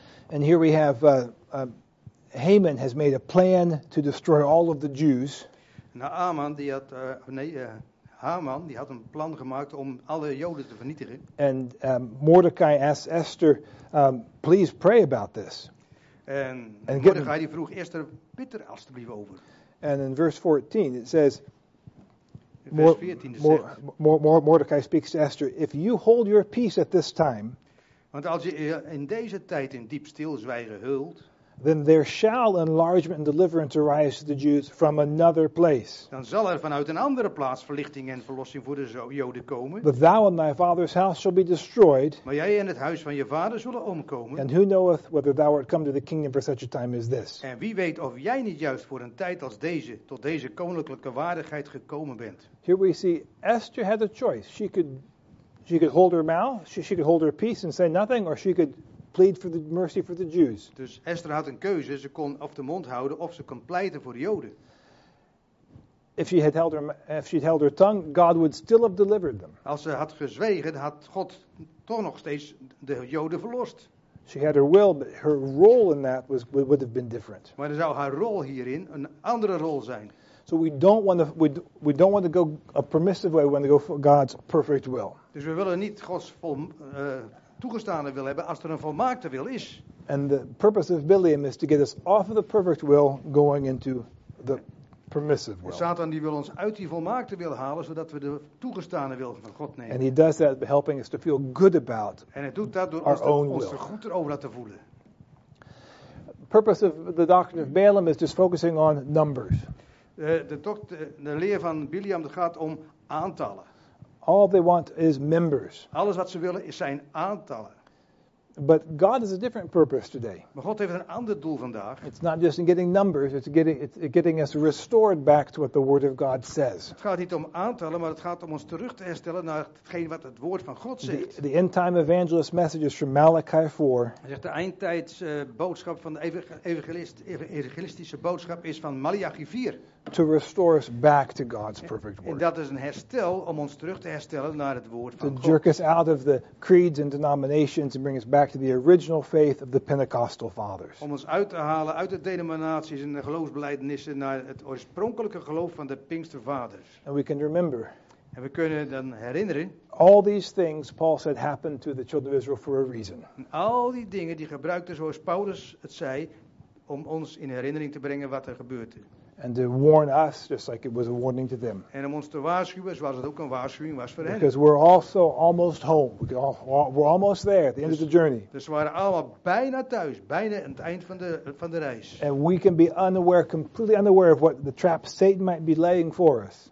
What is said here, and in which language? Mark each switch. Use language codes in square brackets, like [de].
[en] And here we have Haman has made a plan to destroy all of the Jews. [nl] Nou, Haman die had Haman die had een plan gemaakt om alle Joden te vernietigen. [en] And Mordecai asked Esther, please pray about this. [nl] And Mordecai die vroeg Esther, bid er alstublieft over. [en] And in verse 14 it says, Mordecai speaks to Esther, if you hold your peace at this time. [nl] Want als je in deze tijd in diep stilzwijgen hult, [en] then there shall enlargement and deliverance arise to the Jews from another place. [nl] Dan zal er vanuit een andere plaats verlichting en verlossing voor de Joden komen. [en] But thou and thy father's house shall be destroyed. [nl] Maar jij en het huis van je vader zullen omkomen. [en] And who knoweth whether thou art come to the kingdom for such a time as this? [nl] En wie weet of jij niet juist voor een tijd als deze tot deze koninklijke waardigheid gekomen bent? [en] Here we see Esther had a choice. She could hold her mouth, she could hold her peace and say nothing, or she could plead for the mercy for the Jews. [nl] Dus Esther had een keuze, ze kon of de mond houden of ze kon pleiten voor de Joden. [en] If she'd held her tongue, God would still have delivered them. [nl] Als ze had gezwegen, had God toch nog steeds de Joden verlost. [en] She had her will, but her role in that would have been different. [nl] Maar dan zou haar rol hierin een andere rol zijn. [en] So we don't want to go a permissive way, we want to go for God's perfect will. [nl] Dus we willen niet Gods toegestaande wil hebben als er een volmaakte wil is. [en] And the purpose of Bilaam is to get us off of the perfect will going into the permissive will. [nl] Satan die wil ons uit die volmaakte wil halen zodat we de toegestaande wil van God nemen. [en] And he does that by helping us to feel good about our own will. [nl] En hij doet dat door ons er goed over te voelen. [en] Purpose of the doctrine of Balaam is just focusing on numbers. [nl] De leer van Bilaam gaat om aantallen. [en] All they want is members. [nl] Alles wat ze willen is zijn aantallen. [en] But God has a different purpose today. [nl] Maar God heeft een ander doel vandaag. [en] It's not just in getting numbers, it's getting us restored back to what the Word of God says. [nl] Het gaat niet om aantallen, maar het gaat om ons terug te herstellen naar hetgeen wat het Woord van God zegt. [en] The end time evangelist message is from Malachi 4. [nl] Hij zegt de eindtijds boodschap van de evangelistische boodschap is van Malachi 4. [en] To restore us back to God's perfect word. [nl] En dat is een herstel om ons terug te herstellen naar het woord van [en] to [nl] God. [en] To jerk us out of the creeds and denominations and bring us back to the original faith of the Pentecostal fathers. [nl] Om ons uit te halen uit de denominaties en de geloofsbelijdenissen naar het oorspronkelijke geloof van de Pinkstervaders. [en] And we can remember. [nl] En we kunnen dan herinneren. [en] All these things Paul said happened to the children of Israel for a reason. [nl] En al die dingen die gebruikte zoals Paulus het zei om ons in herinnering te brengen wat er gebeurde. [en] And to warn us, just like it was a warning to them. [nl] En om ons te waarschuwen, zoals het ook een waarschuwing was voor hen. [en] Because we're also almost home. We're almost there, at the end of the journey. [nl] Dus we waren allemaal bijna thuis, bijna aan het eind van de reis. [en] And we can be unaware, completely unaware of what the trap Satan might be laying for us.